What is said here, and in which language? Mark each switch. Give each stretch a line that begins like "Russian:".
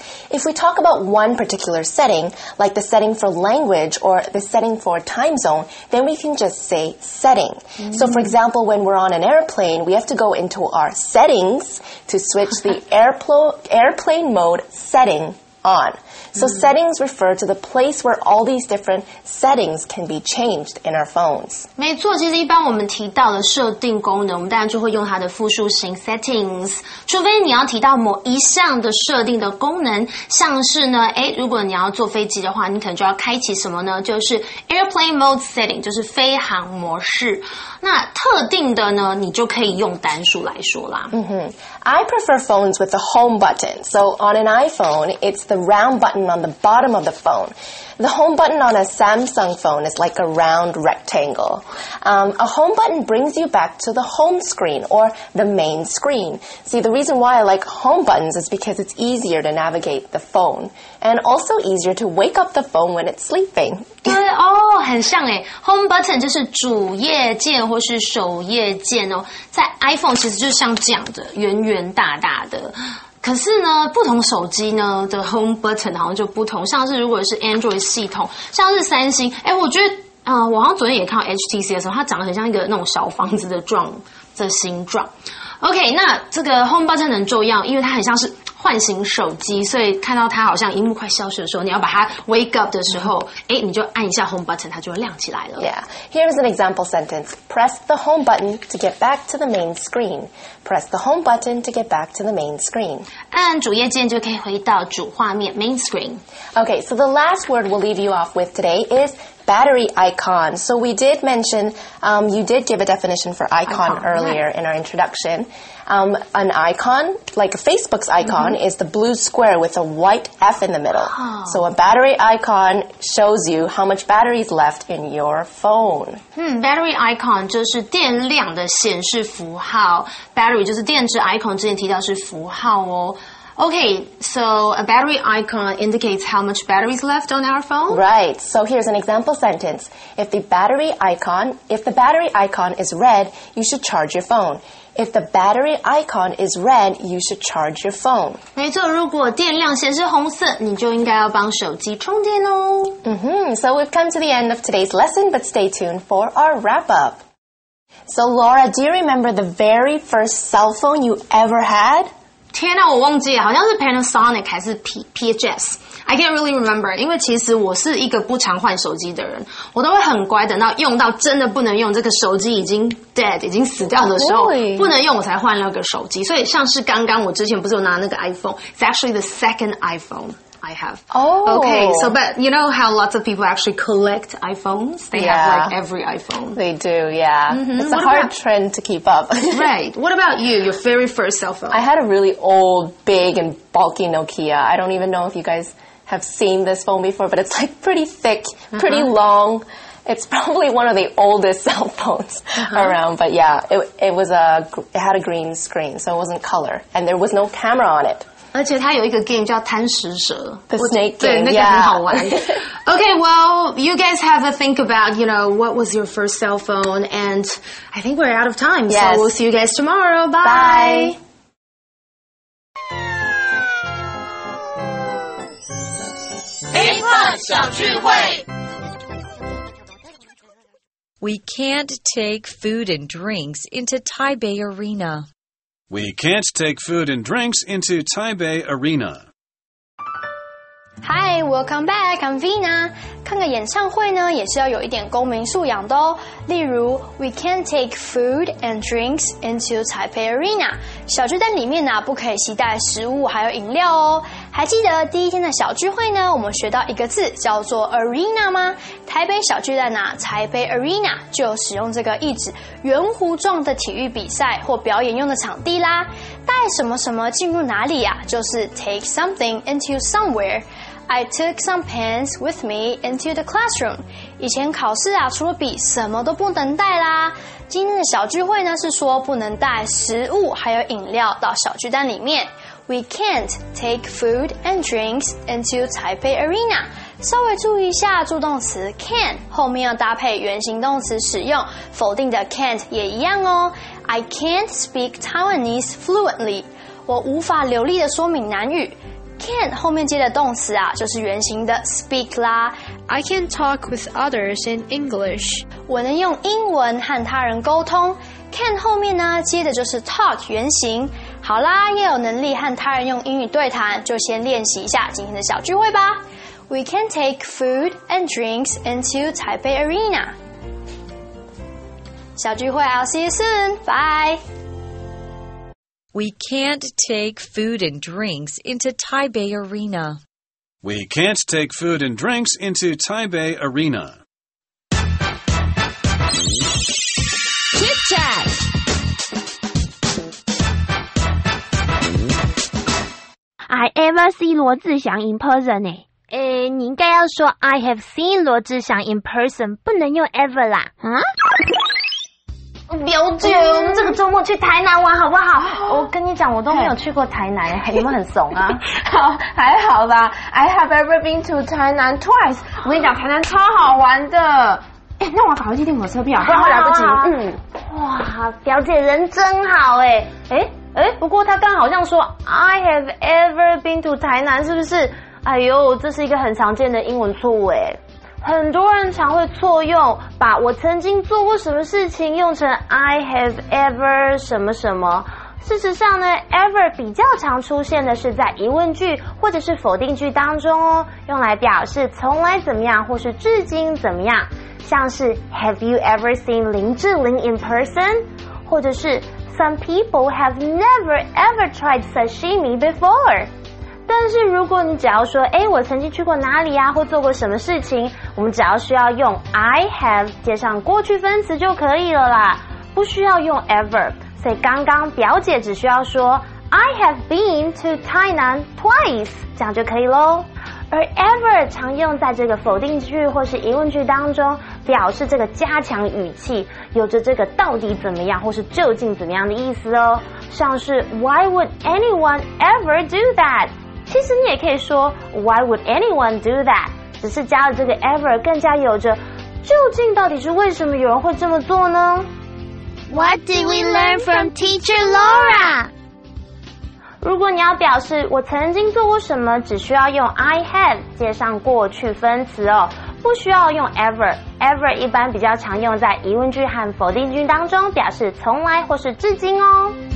English: If we talk about one particular setting, like the setting for language or the setting for time zone, then we can just say setting. Mm. So for example, when we're on an airplane, we have to go into our settings to switch the airplane mode setting on. So settings refer to the place where all these different settings can be changed in our phones.
Chinese: 没错，其实一般我们提到的设定功能，我们当然就会用它的复数型 settings。除非你要提到某一项的设定的功能，像是呢，哎，如果你要坐飞机的话，你可能就要开启什么呢？就是
English: airplane mode setting，
Chinese: 就是飞行模式。那特定的呢，你就可以用单数来说啦。
English: 嗯哼 ，I prefer phones with the home button. So on an iPhone, it's the round button on the bottom of the phone. The home button on a Samsung phone is like a round rectangle. A home button brings you back to the home screen or the main screen. See, the reason why I like home buttons is because it's easier to navigate the phone and also easier to wake up the phone when it's sleeping.
Chinese: 对哦，很像耶。 Home button 就是主页键或是首页键哦，在 iPhone 其实就像这样的，圆圆大大的。可是呢，不同手机呢的 home button 好像就不同，像是如果是 Android 系统，像是三星，哎，我觉得，我好像昨天也看到 HTC 的时候，它长得很像一个那种小房子的形状。 OK， 那这个 home button 很重要，因为它很像是唤醒手机，所以看到它好像萤幕快消失的时候，你要把它
English: wake up
Chinese: 的时候，哎，你就按一下 home button， 它就会亮起来了。
English: Yeah, here is an example sentence. Press the home button to get back to the main screen. Press the home button to get back to the main screen.
Chinese: 按主页键就可以回到主画面
English: main screen. Okay, so the last word we'll leave you off with today is battery icon. So we did mention, you did give a definition for icon earlier in our introduction. An icon, like Facebook's icon, is the blue square with a white F in the middle. So a battery icon shows you how much battery is left in your phone.
Chinese: Battery icon 就是电量的显示符号。 Battery 就是电池 ，icon 之前提到是符号哦。
English: Okay, so a battery icon indicates how much battery is left on our phone? Right. So here's an example sentence. If the battery icon is red, you should charge your phone. If the battery icon is red, you should charge your phone.
Chinese: 没错，如果电量显示红色，你就应该要帮手机充电哦。
English: So we've come to the end of today's lesson, but stay tuned for our wrap up. So Laura, do you remember the very first cell phone you ever had?
Chinese: 天哪，我忘记了，好像是 Panasonic 还是 PHS.
English: I can't really remember,
Chinese: 因为其实我是一个不常换手机的人，我都会很乖，等到用到真的不能用，这个手机已经 dead, 已经死掉的时候，不能用我才换那个手机。所以像是刚刚我之前不是有拿那个 iPhone,
English: it's actually the second iPhone. I have. Oh. Okay, so but you know how lots of people actually collect iPhones? They have like every iPhone. They do, yeah. It's a hard trend to keep up. Right. What about you, your very first cell phone? I had a really old, big and bulky Nokia. I don't even know if you guys have seen this phone before, but it's like pretty thick, pretty long. It's probably one of the oldest cell phones around. But yeah, it had a green screen, so it wasn't color. And there was no camera on it.
Chinese: 而且它有一个 game 叫贪食蛇
English: ，The Snake Game，
Chinese: 对，那个很好玩。
English: Okay, well, you guys have a think about, you know, what was your first cell phone, and I think we're out of time. Yes. So we'll see you guys tomorrow. Bye. Bye. We can't take food and drinks into Taipei Arena. We can't take food and drinks into Taipei Arena. Hi, welcome back. I'm Vina.
Chinese: 看个演唱会呢，也是要有一点公民素养的哦。例如 ，
English: We can't take food and drinks into Taipei Arena.
Chinese: 小巨蛋里面呢，不可以携带食物还有饮料哦。还记得第一天的小聚会呢，我们学到一个字叫做 arena 吗？台北小巨蛋啊，台北 arena 就使用这个意指圆弧状的体育比赛或表演用的场地啦。带什么什么进入哪里啊，就是
English: take something into somewhere。 I took some pens with me into the classroom.
Chinese: 以前考试啊，除了笔，什么都不能带啦。今天的小聚会呢，是说不能带食物还有饮料到小巨蛋里面。
English: We can't take food and drinks into Taipei Arena.
Chinese: 稍微注意一下助动词 can 后面要搭配原形动词使用，否定的 can't 也一样哦。
English: I can't speak Taiwanese fluently.
Chinese: 我无法流利的说闽南语。Can 后面接的动词啊，就是原形的 speak 啦。
English: I can talk with others in English.
Chinese: 我能用英文和他人沟通。Can 后面呢，接的就是 talk 原形。好啦，要有能力和他人用英语对谈，就先练习一下今天的小聚会吧。
English: We can take food and drinks into Taipei Arena.
Chinese: 小聚会
English: ，I'll see you soon. Bye. We can't take food and drinks into Taipei Arena. We can't take food and drinks into Taipei Arena. Chit chat. I ever see 罗志祥 in person 呢？
Chinese: 诶，你应该要说
English: I have seen 罗志祥 in person，
Chinese: 不能用 ever 啦。嗯。表姐，我们这个周末去台南玩好不好？我跟你讲，我都没有去过台南，有没有很怂啊？好，还好吧。
English: I have ever been to 台南 twice。
Chinese: 我跟你讲，台南超好玩的。哎，那我赶快去订火车票，不然会来不及。嗯，哇，表姐人真好哎。哎，不过她刚好像说
English: I have ever been to 台南，
Chinese: 是不是？哎呦，这是一个很常见的英文错误哎。很多人常会错用把我曾经做过什么事情用成
English: I have ever
Chinese: 什么什么。事实上呢， ever 比较常出现的是在疑问句或者是否定句当中哦，用来表示从来怎么样或是至今怎么样，像是
English: Have you ever seen 林志玲 in person?
Chinese: 或者是
English: Some people have never ever tried sashimi before。
Chinese: 但是如果你只要说诶我曾经去过哪里啊或做过什么事情，我们只要需要用 I have 接上过去分词就可以了啦，不需要用 ever。所以刚刚表姐只需要说
English: I have been to 台南 twice，
Chinese: 这样就可以咯。而 ever 常用在这个否定句或是疑问句当中，表示这个加强语气，有着这个到底怎么样或是究竟怎么样的意思哦，像是
English: Why would anyone ever do that？其实你也可以说 Why would anyone do that?
Chinese: 只是加了这个 ever 更加有着究竟到底是为什么有人会这么做呢？
English: What did we learn from teacher Laura?
Chinese: 如果你要表示我曾经做过什么，只需要用
English: I have
Chinese: 接上过去分词哦，不需要用 ever。 ever 一般比较常用在疑问句和否定句当中，表示从来或是至今哦。